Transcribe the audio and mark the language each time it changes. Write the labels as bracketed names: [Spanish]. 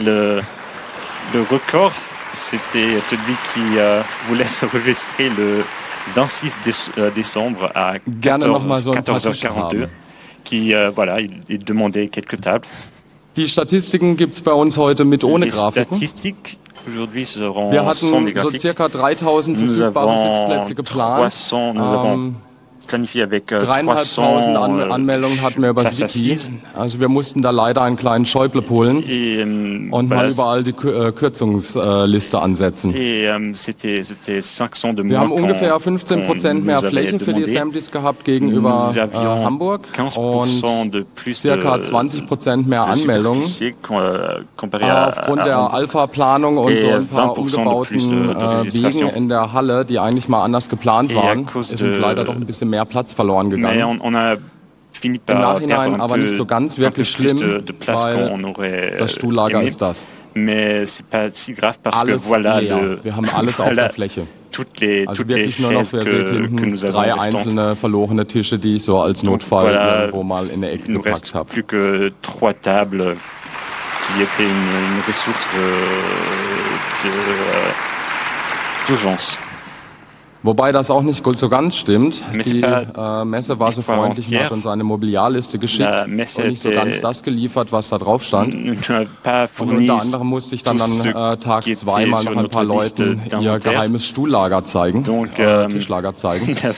[French] Le record, c'était celui qui voulait se registrer le 26 décembre à 14:42 qui voilà, il demandait quelques tables. [German] Die Statistiken gibt's bei uns heute mit ohne Grafiken. Wir hatten so circa 3000 verfügbare Sitzplätze geplant. 3500 Anmeldungen hatten wir über das Wiki. Also wir mussten da leider einen kleinen Schäuble polen und mal überall die Kürzungsliste ansetzen. Wir haben ungefähr 15% mehr Fläche für die Assemblies gehabt gegenüber Hamburg und circa 20% mehr Anmeldungen. Aufgrund der Alpha-Planung und so ein paar umgebauten Wegen in der Halle, die eigentlich mal anders geplant waren, ist uns leider doch ein bisschen mehr Platz verloren gegangen. Im Nachhinein aber nicht so ganz wirklich schlimm, weil das Stuhllager ist das. Alles leer. Wir haben alles auf der Fläche. Also wirklich nur noch, wer seht, hinten drei einzelne verlorene Tische, die ich so als Notfall irgendwo mal in der Ecke gepackt habe. [French] Plus que trois tables qui étaient une ressource d'urgence. [German] Wobei das auch nicht so ganz stimmt. Die Messe war so freundlich und hat uns eine Mobiliarliste geschickt und nicht so ganz das geliefert, was da drauf stand. Und unter anderem musste ich dann an Tag 2 mal noch ein paar Leuten ihr geheimes Stuhllager zeigen, Tischlager zeigen.